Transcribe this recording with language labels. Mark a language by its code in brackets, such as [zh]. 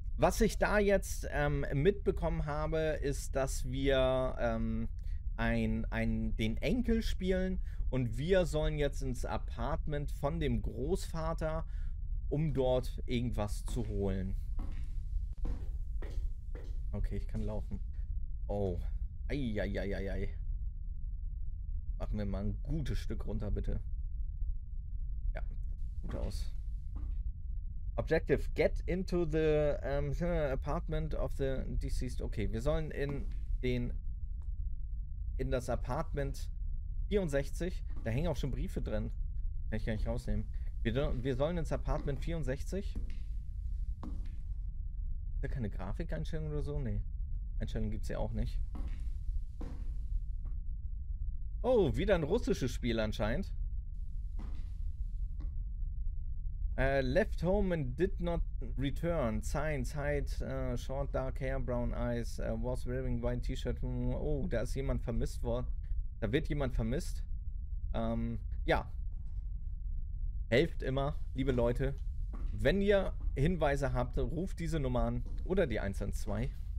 [de] Was ich da jetzt mitbekommen habe, ist, dass wir den Enkel spielen und wir sollen jetzt ins Apartment von dem Großvater, um dort irgendwas zu holen. Okay, ich kann laufen. Oh. Eieieiei. Machen wir mal ein gutes Stück runter, bitte. Ja, gut aus. [en] Objective, get into the apartment of the deceased. [de] Okay, wir sollen in das Apartment 64. Da hängen auch schon Briefe drin. Kann ich gar nicht rausnehmen. Wir sollen ins Apartment 64. Ist da keine Grafikeinstellung oder so? Nee. Einstellung gibt's ja auch nicht. Oh, wieder ein russisches Spiel anscheinend. [en] Left home and did not return. Signs, height, short dark hair, brown eyes, was wearing white t-shirt. [de] Oh, da ist jemand vermisst worden. Da wird jemand vermisst. Ja. Helft immer, liebe Leute. Wenn ihr Hinweise habt, ruft diese Nummer an oder die 112.